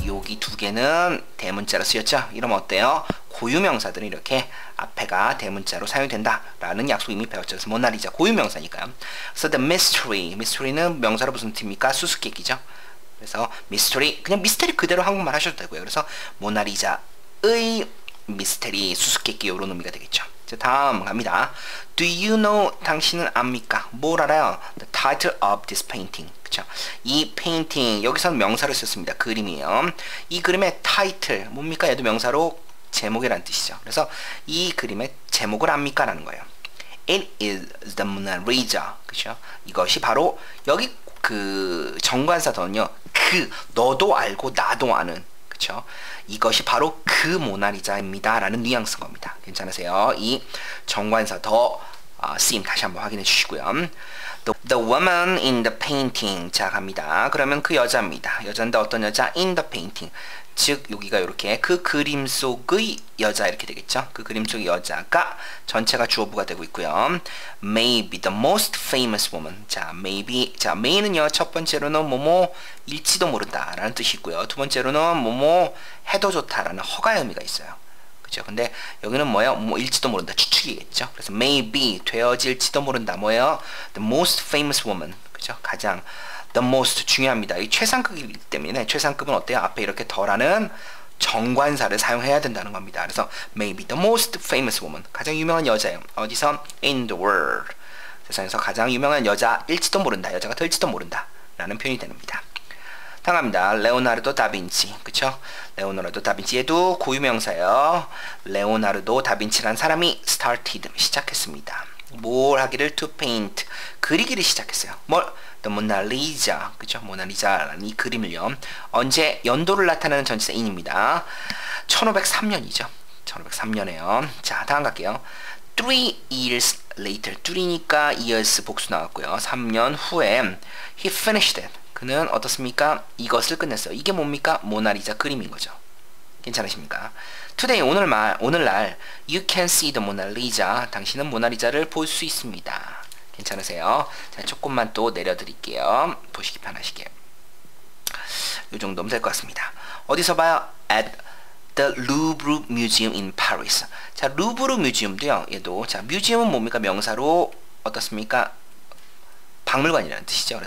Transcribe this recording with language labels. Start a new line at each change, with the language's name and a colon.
Korean: 여기 두 개는 대문자로 쓰였죠? 이러면 어때요? 고유명사들은 이렇게 앞에가 대문자로 사용된다 라는 약속 이미 배웠죠. 그래서 모나리자 고유명사니까요. 그래서 the mystery, mystery는 명사로 무슨 뜻입니까? 수수께끼죠. 그래서 mystery, 그냥 mystery 그대로 한국말 하셔도 되고요. 그래서 모나리자의 mystery, 수수께끼 이런 의미가 되겠죠. 자, 다음 갑니다.
English: Do you know,
Korean: 당신은 압니까? 뭘 알아요?
English: The title of this painting.
Korean: 이 페인팅, 여기서는 명사로 썼습니다. 그림이에요. 이 그림의 타이틀, 뭡니까? 얘도 명사로 제목이란 뜻이죠. 그래서 이 그림의 제목을 압니까? 라는 거예요.
English: It is the Mona Lisa. 그쵸?
Korean: 이것이 바로 여기 그 정관사더는요. 그, 너도 알고 나도 아는. 그쵸? 이것이 바로 그 모나리자입니다. 라는 뉘앙스인 겁니다. 괜찮으세요? 이 정관사더 쓰임 다시 한번 확인해 주시고요.
English: The woman in the painting.
Korean: 자, 갑니다. 그러면 그 여자입니다. 여잔데 어떤 여자?
English: In the painting.
Korean: 즉, 여기가 이렇게 그 그림 속의 여자 이렇게 되겠죠. 그 그림 속의 여자가 전체가 주어부가 되고 있고요.
English: Maybe the most famous woman.
Korean: 자, maybe. 자, may는요. 첫 번째로는 뭐뭐 일지도 모른다 라는 뜻이 있고요. 두 번째로는 뭐뭐 해도 좋다라는 허가의 의미가 있어요. 근데 여기는 뭐예요? 뭐 일지도 모른다. 추측이겠죠. 그래서 maybe 되어질지도 모른다. 뭐예요?
English: The most famous woman. 그죠?
Korean: 가장 the most 중요합니다. 이 최상급이기 때문에 최상급은 어때요? 앞에 이렇게 더라는 정관사를 사용해야 된다는 겁니다. 그래서
English: maybe the most famous woman.
Korean: 가장 유명한 여자예요. 어디서?
English: In the world.
Korean: 세상에서 가장 유명한 여자일지도 모른다. 여자가 될지도 모른다. 라는 표현이 됩니다. 당합니다. 레오나르도 다빈치. 그쵸? 레오나르도 다빈치. 얘도 고유명사예요. 레오나르도 다빈치란 사람이 started, 시작했습니다. 뭘 하기를?
English: To paint.
Korean: 그리기를 시작했어요. 뭘?
English: The Mona Lisa.
Korean: 그쵸? 모나리자라는 이 그림을요. 언제? 연도를 나타내는 전치사인입니다. 1503년이죠. 1503년에요. 자, 다음 갈게요.
English: 3 years later.
Korean: 3니까 years 복수 나왔고요. 3년 후에
English: he finished it.
Korean: 그는 어떻습니까? 이것을 끝냈어요. 이게 뭡니까? 모나리자 그림인 거죠. 괜찮으십니까?
English: Today,
Korean: 오늘날,
English: you can see the Mona Lisa.
Korean: 당신은 모나리자를 볼 수 있습니다. 괜찮으세요? 자, 조금만 또 내려드릴게요. 보시기 편하시게. 요 정도면 될 것 같습니다. 어디서 봐요?
English: At the Louvre Museum in Paris.
Korean: 자, Louvre Museum도요, 얘도. 자, Museum은 뭡니까? 명사로 어떻습니까? 박물관이라는 뜻이죠.